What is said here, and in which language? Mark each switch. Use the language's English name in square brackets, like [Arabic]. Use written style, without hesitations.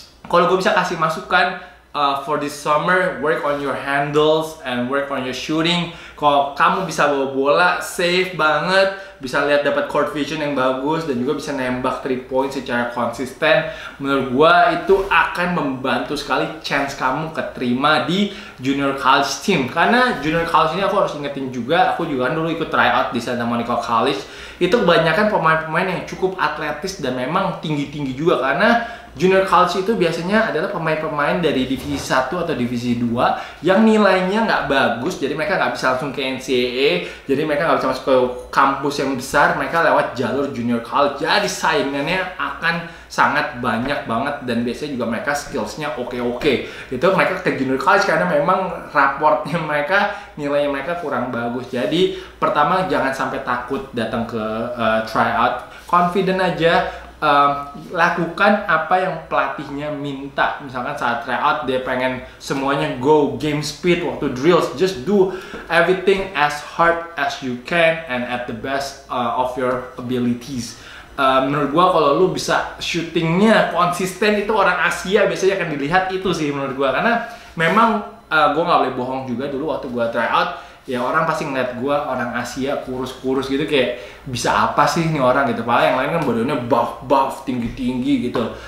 [Indonesian] Kalau gue bisa kasih masukan, [English] for this summer, work on your handles and work on your shooting. [Indonesian] Kalau kamu bisa bawa bola, safe banget, bisa lihat dapat court vision yang bagus, dan juga bisa nembak 3 point secara konsisten, menurut gua itu akan membantu sekali chance kamu keterima di junior college team. Karena junior college ini aku harus ingetin juga, aku juga dulu ikut tryout di Santa Monica College. Itu kebanyakan pemain-pemain yang cukup atletis dan memang tinggi-tinggi juga, karena junior college itu biasanya adalah pemain-pemain dari divisi 1 atau divisi 2 yang nilainya nggak bagus, jadi mereka nggak bisa langsung ke NCAA, jadi mereka nggak bisa masuk ke kampus yang besar, mereka lewat jalur junior college. Jadi saingannya akan sangat banyak banget, dan biasanya juga mereka skills-nya oke-oke. Itu mereka ke junior college karena memang raportnya mereka, nilainya mereka kurang bagus. Jadi pertama jangan sampai takut datang ke tryout, confident aja. Lakukan apa yang pelatihnya minta. Misalkan saat tryout dia pengen semuanya [English] go game speed waktu drills, just do everything as hard as you can and at the best of your abilities. [Indonesian] Menurut gua kalau lu bisa shootingnya konsisten, itu orang Asia biasanya akan dilihat itu sih menurut gua. Karena memang gua nggak boleh bohong juga, dulu waktu gua tryout ya orang pasti ngeliat gue orang Asia kurus-kurus gitu, kayak bisa apa sih ini orang gitu, padahal yang lain kan badannya buff-buff, tinggi-tinggi gitu.